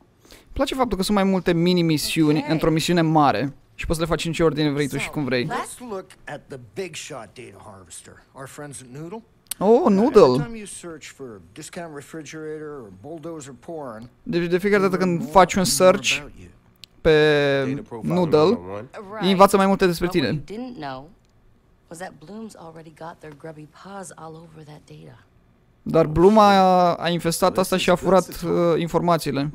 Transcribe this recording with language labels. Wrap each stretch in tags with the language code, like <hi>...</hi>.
<ro>Îmi place faptul că sunt mai multe mini-misiuni okay. într-o misiune mare și poți să le faci în ce ordine vrei tu și cum vrei.</ro> <en>Let's look at the big shot data harvester, our friends at Noodle. Oh, Noodle! Every time you search for discount refrigerator or bulldozer porn,</en> <ro>de fiecare dată când faci un search pe Noodle, îi învață mai multe despre tine.</ro> <en>What you didn't know was that Bloom's already got their grubby paws all over that data.</en> <ro>Dar Bloom a infestat asta și a furat informațiile.</ro>